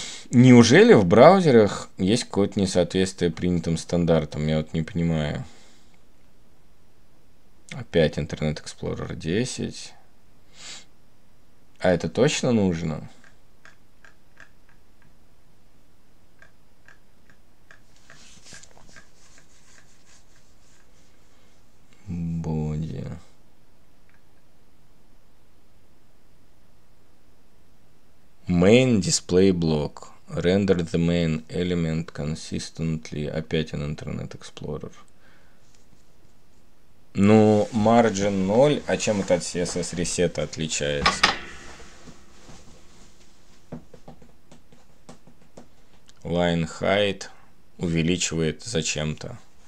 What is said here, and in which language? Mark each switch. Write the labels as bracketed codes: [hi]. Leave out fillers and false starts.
[ru] Неужели в браузерах есть какое-то несоответствие принятым стандартам? Я вот не понимаю. Опять Internet Explorer 10. А это точно нужно? Боди. [en] Main display block. Render the main element consistently. [ru] Опять Internet Explorer. Ну, margin 0. А чем это от CSS reset отличается? Line height увеличивает зачем-то.